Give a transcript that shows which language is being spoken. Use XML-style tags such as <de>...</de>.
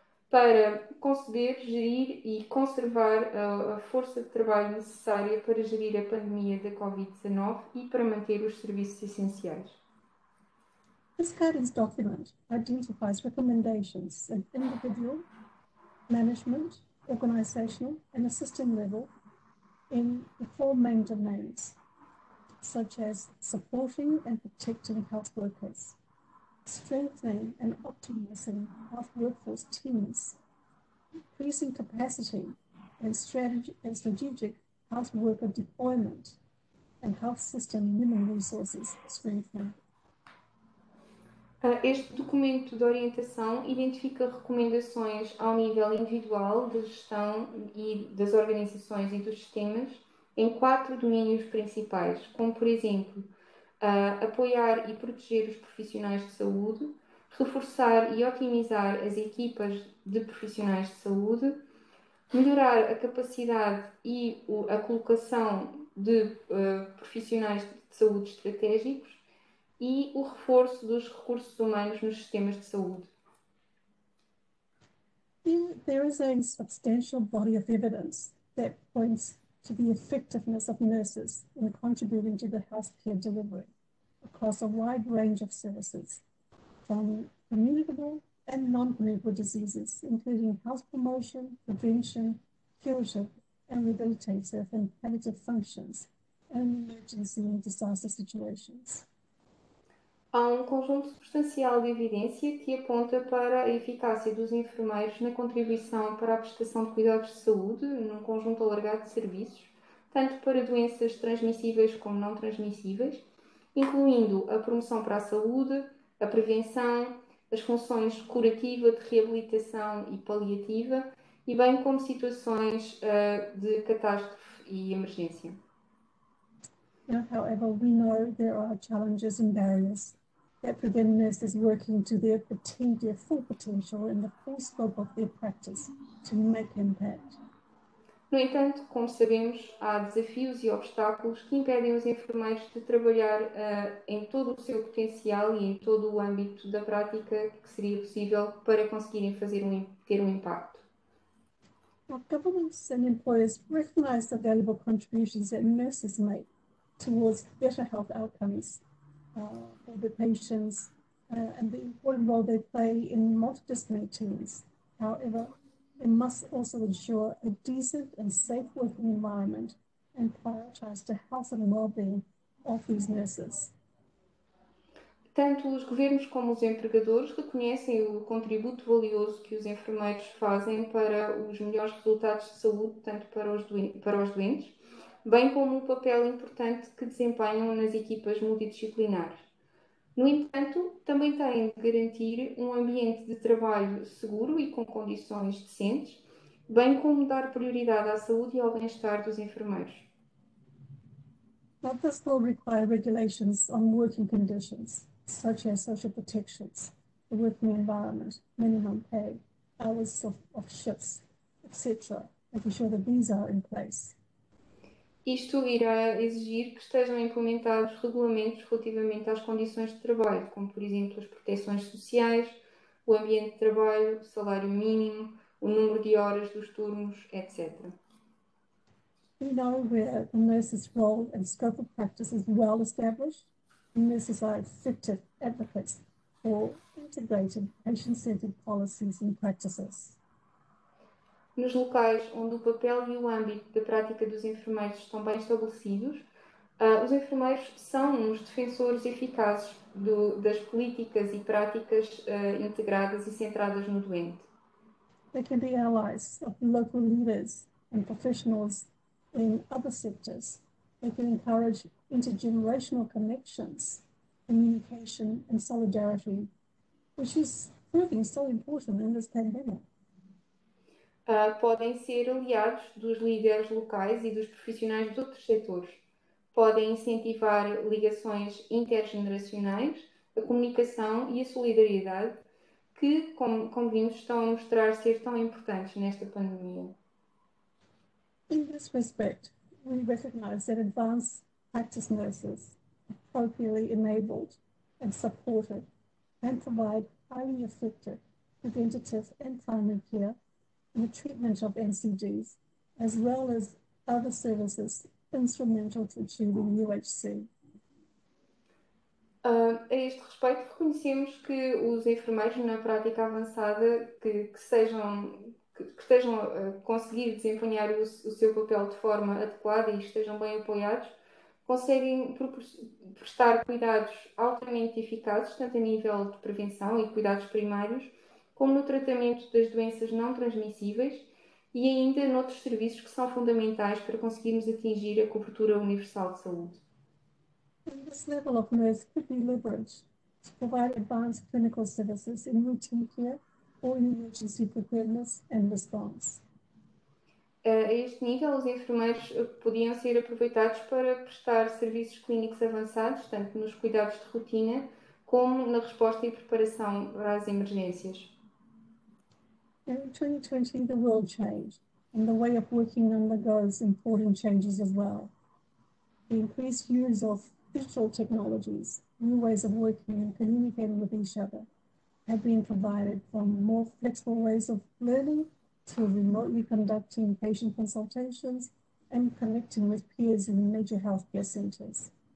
<pt>para conceder, gerir e conservar a força de trabalho necessária para gerir a pandemia da Covid-19 e para manter os serviços essenciais.</pt> <en>This guidance document identifies recommendations at individual, management, organizational, and assisting level in the four main domains, such as supporting and protecting health workers, strengthening and optimizing health workforce teams, increasing capacity and strategic health worker deployment, and health system human resources strengthening.</en> <pt>Este documento de orientação identifica recomendações ao nível individual da gestão e das organizações e dos sistemas em quatro domínios principais, como, por exemplo, apoiar e proteger os profissionais de saúde, reforçar e otimizar as equipas de profissionais de saúde, melhorar a capacidade e a colocação de profissionais de saúde estratégicos, e o reforço dos recursos humanos nos sistemas de saúde.</pt> <en>There is a substantial body of evidence that points to the effectiveness of nurses in contributing to the healthcare delivery across a wide range of services, from communicable and non-communicable diseases, including health promotion, prevention, curative and rehabilitative and palliative functions, and emergency and disaster situations.</en> <pt>Há um conjunto substancial de evidência que aponta para a eficácia dos enfermeiros na contribuição para a prestação de cuidados de saúde num conjunto alargado de serviços, tanto para doenças transmissíveis como não transmissíveis, incluindo a promoção para a saúde, a prevenção, as funções curativa, de reabilitação e paliativa, e bem como situações de catástrofe e emergência.</pt> <en>However, we know there are challenges and barriers that prevent nurses working to their full potential in the full scope of their practice to make impact.</en> <pt>No entanto, como sabemos, há desafios e obstáculos que impedem os enfermeiros de trabalhar em todo o seu potencial e em todo o âmbito da prática que seria possível para conseguirem fazer ter impacto.</pt> <en>Well, governments and employers recognize the valuable contributions that nurses make towards better health outcomes for the patients and the important role they play in multidisciplinary teams. However, they must also ensure a decent and safe working environment and prioritize the health and well-being of these nurses.</en> <pt>Tanto os governos como os empregadores reconhecem o contributo valioso que os enfermeiros fazem para os melhores resultados de saúde, tanto para os doentes, bem como o papel importante que desempenham nas equipas multidisciplinares. No entanto, também têm de garantir um ambiente de trabalho seguro e com condições decentes, bem como dar prioridade à saúde e ao bem-estar dos enfermeiros.</pt> <en>Not this law require regulations on working conditions, such as social protections, the working environment, minimum pay, hours of shifts, etc., making sure that these are in place.</en> <pt>Isto irá exigir que estejam implementados regulamentos relativamente às condições de trabalho, como, por exemplo, as proteções sociais, o ambiente de trabalho, o salário mínimo, o número de horas dos turnos, etc.</pt> <en>We know where the nurse's role and scope of practice is well established. Nurses are effective advocates for integrated patient-centered policies and practices.</en> <pt>Nos locais onde o papel e o âmbito da prática dos enfermeiros estão bem estabelecidos, os enfermeiros são os defensores eficazes das políticas e práticas integradas e centradas no doente.</pt> <en>They can be allies of local leaders and professionals in other sectors. They can encourage intergenerational connections, communication and solidarity, which is proving so important in this pandemic.</en> <pt>Podem ser aliados dos líderes locais e dos profissionais de outros setores. Podem incentivar ligações intergeneracionais, a comunicação e a solidariedade, que, como vimos, estão a mostrar ser tão importantes nesta pandemia.</pt> <en>In this respect, we recognize that advanced practice nurses, appropriately enabled and supported, can provide highly effective preventative and primary care in the treatment of NCDs, as well as other services instrumental to achieving UHC.</en> <pt>A este respeito, reconhecemos que os enfermeiros na prática avançada que estejam a conseguir desempenhar o seu papel de forma adequada e estejam bem apoiados, conseguem prestar cuidados altamente eficazes, tanto a nível de prevenção e cuidados primários, como no tratamento das doenças não transmissíveis e ainda noutros serviços que são fundamentais para conseguirmos atingir a cobertura universal de saúde.</pt> <en>This level of nurse could be leveraged to provide advanced clinical services in routine care or in emergency preparedness and response.</en> <pt>A este nível, os enfermeiros podiam ser aproveitados para prestar serviços clínicos avançados, tanto nos cuidados de rotina como na resposta e preparação às emergências.</pt> <en>In 2020, the world changed, and the way of working undergoes important changes as well. The increased use of digital technologies, new ways of working and communicating with each other, have been provided from more flexible ways of learning to remotely conducting patient consultations and connecting with peers in major healthcare centers.</en>